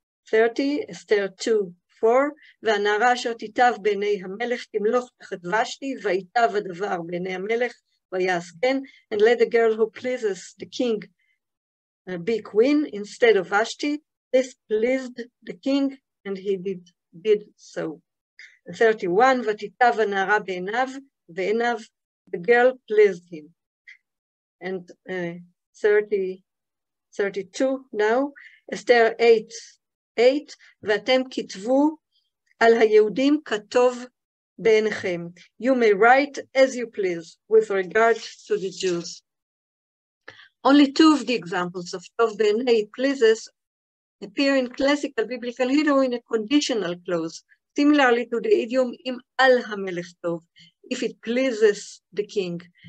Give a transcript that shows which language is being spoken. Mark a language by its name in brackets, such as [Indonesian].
[English] 30, Esther 2:4, [Hebrew] והנערה אשר תיטב בעיני המלך, תמלוך תחת ושתי, ויטב הדבר בעיני המלך, ויעש כן, [English] and let the girl who pleases the king be queen instead of Vashti. This pleased the king, and he did so. [Hebrew] 31, ותיטב הנערה בעיניו, ועיניו, [English] the girl pleased him. [Hebrew] And 32 now, Esther 8:8, ואתם כתבו על היהודים כתוב בעיניכם. [English] You may write as you please with regard to the Jews. Only two of the examples of Tov Be'enei pleases appear in classical biblical Hebrew in a conditional clause, similarly to the idiom [Hebrew] Im Al HaMelech Tov, [English] if it pleases the king.